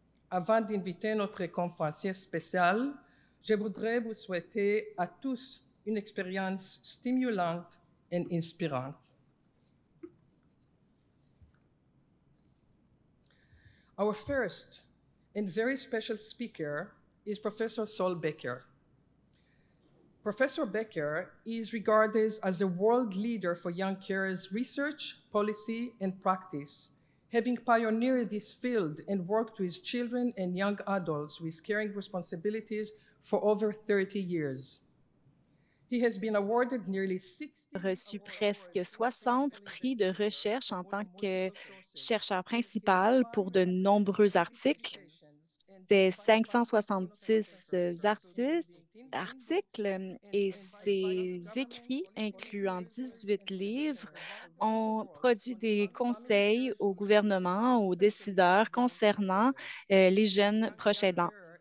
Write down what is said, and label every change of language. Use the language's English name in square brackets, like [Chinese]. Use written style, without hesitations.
[French] Avant d'inviter notre conférencier spécial, je voudrais vous souhaiter à tous une expérience stimulante et inspirante. [English] Our first and very special speaker is Professor Sol Becker. Professor Becker is regarded as a world leader for young carers' research, policy, and practice, Having pioneered this field and worked with children and young adults with caring responsibilities for over 30 years. He has been awarded nearly 60 [French] reçu presque 60 prix de recherche en tant que chercheur principal pour de nombreux articles. Ses 570 articles et ses écrits, incluant 18 livres, ont produit des conseils au gouvernement, aux décideurs concernant les jeunes proches aidants.